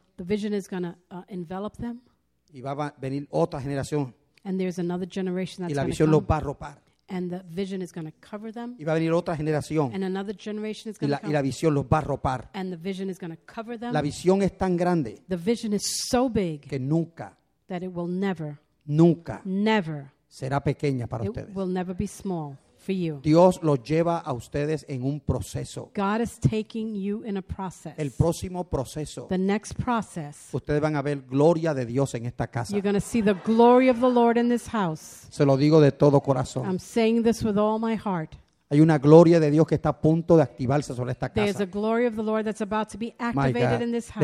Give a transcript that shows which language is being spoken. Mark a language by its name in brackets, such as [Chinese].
[English] The vision is going to envelop them. [Spanish] Y va a venir otra generación. [English] And there's another generation that's [Spanish] y la visión [English] come, [Spanish] los va a arropar. [English] And the vision is going to cover them. [Spanish] Y va a venir otra generación. [English] And another generation is going to come. [Spanish] Y la visión los va a ropar. [English] And the vision is going to cover them. [Spanish] La visión es tan grande. [English] The vision is so big. [Spanish] Que nunca. [English] That it will never. [Spanish] Nunca. [English] Never. [Spanish] Será pequeña para [English] it [Spanish] ustedes. [English] It will never be small for you. [Spanish] Dios los lleva a ustedes en un proceso. [English] God is taking you in a process. [Spanish] El próximo proceso. [English] The next process. [Spanish] Ustedes van a ver gloria de Dios en esta casa. [English] You're going to see the glory of the Lord in this house. [Spanish] Se lo digo de todo corazón. [English] I'm saying this with all my heart. [Spanish] Hay una gloria de Dios que está a punto de activarse sobre esta casa. [English] There's a glory of the Lord that's about to be activated in this house.